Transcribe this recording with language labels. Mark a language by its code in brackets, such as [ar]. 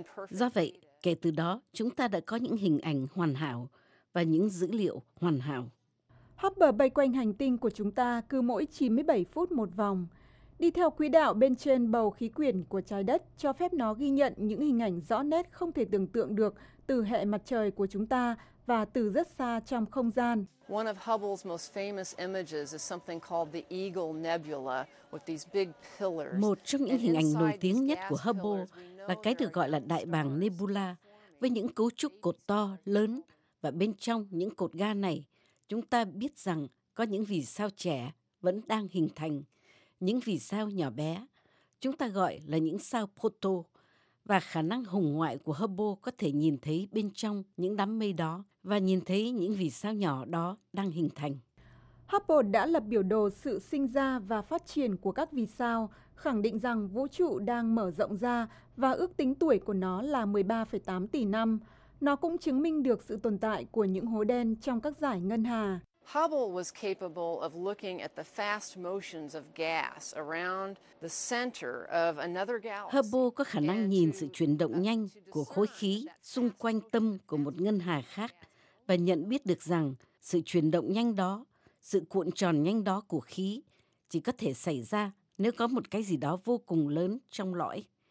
[vi] Do vậy, kể từ đó, chúng ta đã có những hình ảnh hoàn hảo và những dữ liệu hoàn hảo. Hubble bay quanh hành tinh của chúng ta cứ mỗi 97 phút một vòng. Đi theo quỹ đạo bên trên bầu khí quyển của trái đất cho phép nó ghi nhận những hình ảnh rõ nét không thể tưởng tượng được từ hệ mặt trời của chúng ta và từ rất xa trong không gian. [en] One of Hubble's most famous images is something called the Eagle Nebula with these big pillars. [vi] Một trong những hình ảnh nổi tiếng nhất của Hubble là cái được gọi là Đại Bàng Nebula với những cấu trúc cột to lớn và bên trong những cột ga này, chúng ta biết rằng có những vì sao trẻ vẫn đang hình thành. Những vì sao nhỏ bé, chúng ta gọi là những sao proto, và khả năng hồng ngoại của Hubble có thể nhìn thấy bên trong những đám mây đó và nhìn thấy những vì sao nhỏ đó đang hình thành. Hubble đã lập biểu đồ sự sinh ra và phát triển của các vì sao, khẳng định rằng vũ trụ đang mở rộng ra và ước tính tuổi của nó là 13,8 tỷ năm. Nó cũng chứng minh được sự tồn tại của những hố đen trong các dải ngân hà. [en] Hubble was capable of looking at the fast motions of gas around the center of another galaxy. [vi] Hubble có khả năng nhìn sự chuyển động nhanh của khối khí xung quanh tâm của một ngân hà khác và nhận biết được rằng sự chuyển động nhanh đó, sự cuộn tròn nhanh đó của khí chỉ có thể xảy ra nếu có một cái gì đó vô cùng lớn trong lõi.